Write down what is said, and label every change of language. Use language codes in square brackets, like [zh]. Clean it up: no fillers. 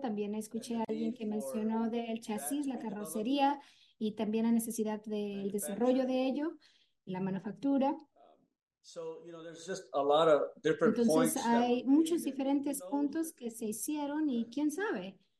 [es] También escuché a alguien que mencionó del chasis, la carrocería y también la necesidad del desarrollo de ello, la manufactura. [en] So, you know, there's just a lot of different [es] entonces, [en] points. [es] Entonces hay muchos diferentes puntos que se hicieron y quién sabe.